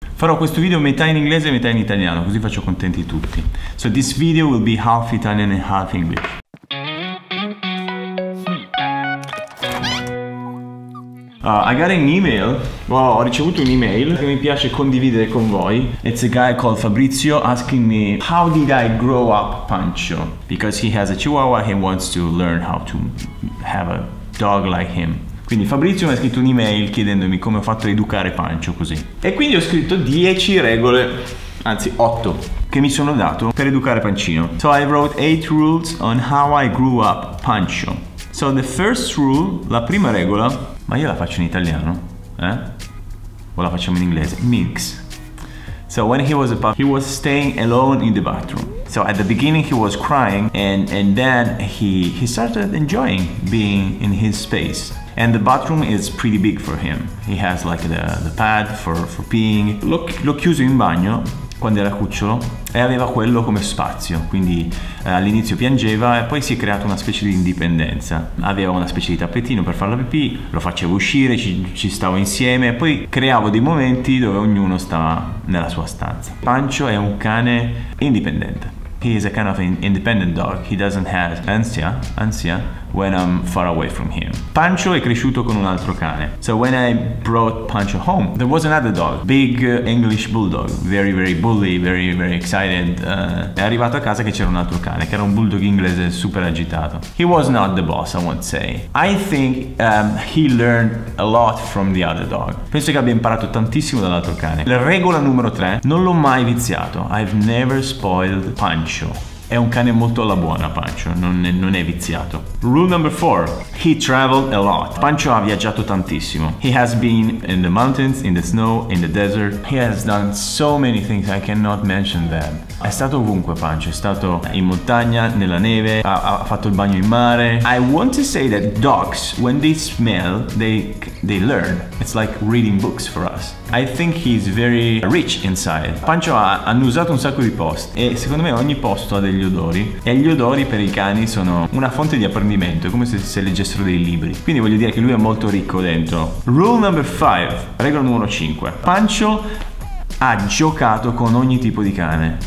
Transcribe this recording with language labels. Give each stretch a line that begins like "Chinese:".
Italian: Farò questo video metà in inglese e metà in italiano, così faccio contenti tutti.
English: So this video will be half Italian and half English. I got an email.
Italian: Wow, ho ricevuto un'email che mi piace condividere con voi.
English: It's a guy called Fabrizio asking me, how did I grow up Pancho? Because he has a chihuahua, he wants to learn how to have a dog like him.
Italian: Quindi Fabrizio mi ha scritto un'email chiedendomi come ho fatto a educare Pancho così. E quindi ho scritto 10 regole, anzi 8, che mi sono dato per educare Pancino.
English: So I wrote 8 rules on how I grew up Pancho. So the first rule,
Italian: la prima regola, ma io la faccio in italiano, eh? O la facciamo in inglese? Mix.
English: So when he was a puppy, he was staying alone in the bathroom. So at the beginning he was crying and then he started enjoying being in his space. And the bathroom is pretty big for him. He has like the pad for peeing.
Italian: L'ho chiuso in bagno quando era cucciolo e aveva quello come spazio, quindi all'inizio piangeva e poi si è creato una specie di indipendenza. Aveva una specie di tappetino per fare la pipì, lo facevo uscire, ci stavo insieme e poi creavo dei momenti dove ognuno stava nella sua stanza.
English: Pancho è un cane indipendente. He is a kind of an independent dog. He doesn't have ansia when I'm far away from him.
Italian: Pancho è cresciuto con un altro cane.
English: So when I brought Pancho home, there was another dog, big English bulldog, very very bully, very very excited.
Italian: È arrivato a casa che c'era un altro cane, che era un bulldog inglese super agitato.
English: He was not the boss, I won't say. I think he learned a lot from the other dog.
Italian: Penso che abbia imparato tantissimo dall'altro cane. La regola numero 3, non l'ho mai viziato.
English: I've never spoiled Pancho.
Italian: È un cane molto alla buona, Pancho, non è viziato.
English: Rule number 4. He traveled a lot.
Italian: Pancho ha viaggiato tantissimo.
English: He has been in the mountains, in the snow, in the desert. He has done so many things, I cannot mention them.
Italian: È stato ovunque, Pancho. È stato in montagna, nella neve, ha fatto il bagno in mare.
English: I want to say that dogs, when they smell, they learn. It's like reading books for us. I think he's very rich inside.
Italian: Pancho ha annusato un sacco di posti e secondo me ogni posto ha degli odori e gli odori per i cani sono una fonte di apprendimento, come se leggessero dei libri. Quindi voglio dire che lui è molto ricco dentro.
English: Rule number 5,
Italian: regola numero 5. Pancho ha giocato con ogni tipo di cane.